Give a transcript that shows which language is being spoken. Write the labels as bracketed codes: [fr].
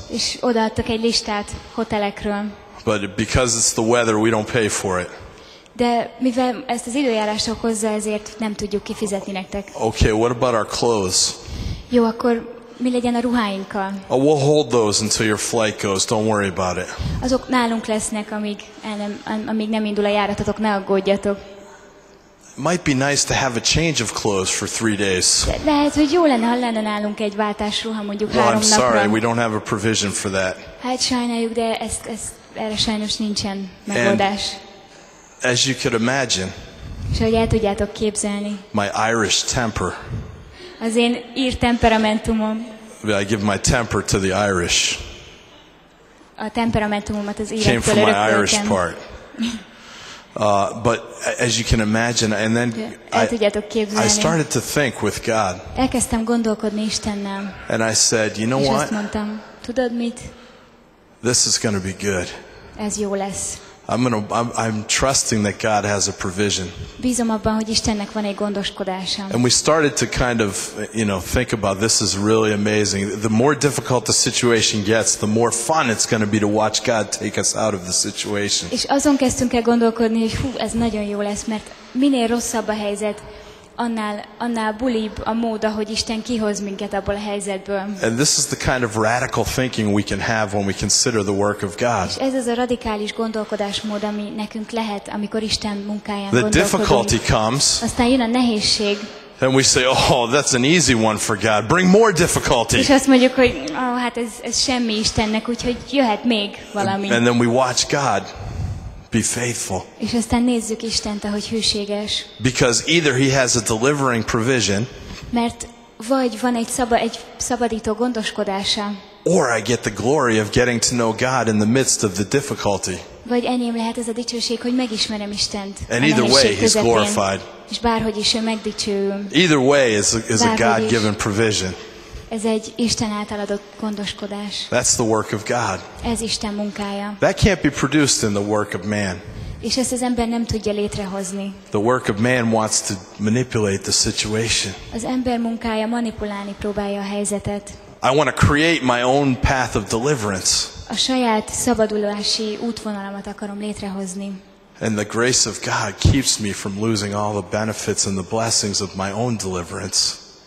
[hu] És odaadtak egy listát hotelekről. [en] But because it's the weather, we don't pay for it. [hu] De mivel ezt az időjárás okozza, ezért nem tudjuk kifizetni nektek. [en] Okay, what about our clothes? [hu] Jó, akkor mi legyen a ruháinkkal? [en] Oh, we'll hold those until your flight goes. Don't worry about it. [hu] Azok nálunk lesznek, amíg nem indul a járatotok, ne aggódjatok. [en] Might be nice to have a change of clothes for 3 days. [hu] Lehet, hogy jó lenne, ha lenne nálunk egy váltásruha, mondjuk 3 napra. [en] I'm sorry, we don't have a provision for that. [hu] Hát sajnáljuk, de ez erre sajnos nincsen megoldás. [en] As you could imagine. [hu] És ahogy el tudjátok képzelni. [en] My Irish temper. [hu] Az én ír temperamentumom. [en] I give my temper to the Irish. [hu] A temperamentumomat az írektől örököltem. [en] Came from my Irish part. But as you can imagine, and then I started to think with God. [hu] Elkezdtem gondolkodni Istennel. [en] And I said, you know what? [hu] És azt mondtam, tudod mit? [en] This is going to be good. [hu] Ez jó lesz. [en] I'm trusting that God has a provision. [hu] Bízom abban, hogy Istennek van egy gondoskodása. [en] And we started to kind of, you know, think about this is really amazing. The more difficult the situation gets, the more fun it's going to be to watch God take us out of the situation. [hu] És azon kezdtünk el gondolkodni, hogy hú, ez nagyon jó lesz, mert minél rosszabb a helyzet, annál bulibb a mód, ahogy Isten kihoz minket abból a helyzetből. [en] And this is the kind of radical thinking we can have when we consider the work of God. [hu] Ez az a radikális gondolkodásmód, ami nekünk lehet, amikor Isten munkáján gondolkodunk. [en] The difficulty comes. [hu] Aztán jön a nehézség. [en] And we say, oh, that's an easy one for God. Bring more difficulty. [hu] És azt mondjuk, hogy oh, hát ez semmi Istennek, úgyhogy jöhet még valami. [en] And then we watch God. Be faithful. [hu] És aztán nézzük Istent, ahogy hűséges. [en] Because either he has a delivering provision. [hu] Mert vagy van egy szabadító gondoskodása. [en] Or I get the glory of getting to know God in the midst of the difficulty. [hu] Vagy enyém lehet ez a dicsőség, hogy megismerem Istent. [en] And either way, he's glorified. [hu] És bárhogy is ő megdicsőül. [en] Either way is a God-given provision. [hu] Ez egy Isten által adott gondoskodás. [en] That's the work of God. [hu] Ez Isten munkája. [en] That can't be produced in the work of man. [hu] És ezt az ember nem tudja létrehozni. [en] The work of man wants to manipulate the situation. [hu] Az ember munkája manipulálni próbálja a helyzetet. [en] I want to create my own path of deliverance. [hu] A saját szabadulási útvonalamat akarom létrehozni. [en] And the grace of God keeps me from losing all the benefits and the blessings of my own deliverance.